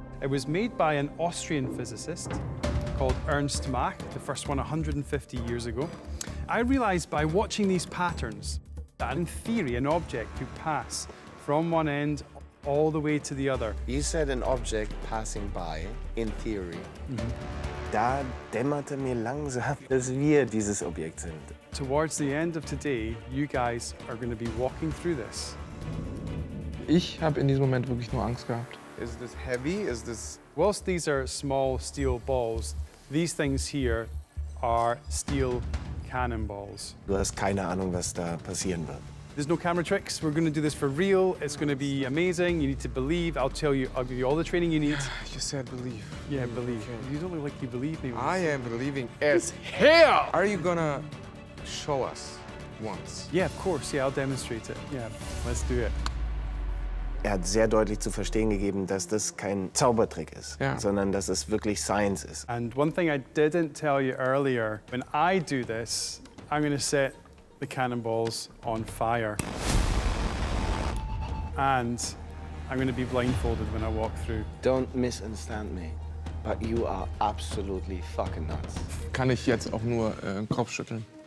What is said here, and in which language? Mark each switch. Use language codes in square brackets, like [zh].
[en] It was made by an Austrian physicist called Ernst Mach, the first one 150 years ago. I realized by watching these patterns that in theory, an object could pass from one end all the way to the other. You said an object passing by, in theory. Mm-hmm. [de] Da dämmerte mir langsam, dass wir dieses Objekt sind. [en] Towards the end of today, you guys are going to be walking through this. [de] Ich habe in diesem Moment wirklich nur Angst gehabt. [en] Is this heavy? Is this... Whilst these are small steel balls, these things here are steel cannonballs. [de] Du hast keine Ahnung, was da passieren wird. [en] There's no camera tricks. We're going to do this for real. It's going to be amazing. You need to believe. I'll give you all the training you need. I just said believe. Yeah, believe. Okay. You don't look like you believe me. I am believing as hell. Are you going to show us once? Yeah, of course. Yeah, I'll demonstrate it. Yeah, let's do it. [de] Er hat sehr deutlich zu verstehen gegeben, dass das kein Zaubertrick ist, [en] yeah, [de] sondern dass es wirklich Science ist. [en] And one thing I didn't tell you earlier, when I do this, I'm going to set the cannonballs on fire. And I'm going to be blindfolded when I walk through. Don't misunderstand me, but you are absolutely fucking nuts. [de] Kann ich jetzt auch nur den Kopf schütteln?